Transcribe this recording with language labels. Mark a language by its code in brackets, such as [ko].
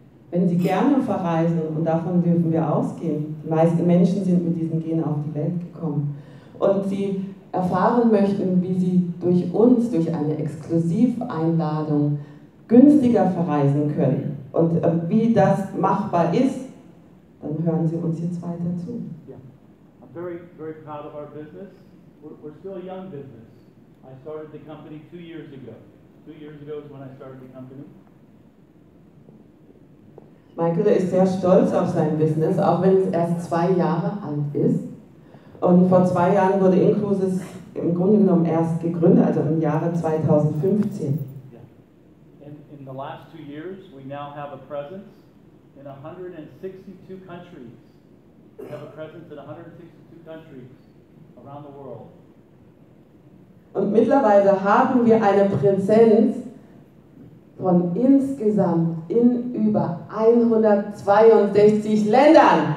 [de] Wenn Sie gerne verreisen, und davon dürfen wir ausgehen, die meisten Menschen sind mit diesen Genen auf die Welt gekommen, und Sie erfahren möchten, wie Sie durch uns, durch eine Exklusiveinladung, günstiger verreisen können und wie das machbar ist, dann hören Sie uns jetzt weiter zu. [en] Yeah. I'm very, very proud of our business. We're still a young business. I started the company 2 years ago. 2 years ago is when I started the company. [de] Michael ist sehr stolz auf sein Business, auch wenn es erst 2 Jahre alt ist. Und vor 2 Jahren wurde Incruises im Grunde genommen erst gegründet, also im Jahre 2015. Yeah. [en] In the last 2 years, we now have a presence in 162 countries. We have a presence in 162 countries around the world. [de] Und mittlerweile haben wir eine Präsenz von insgesamt in über 162 Ländern.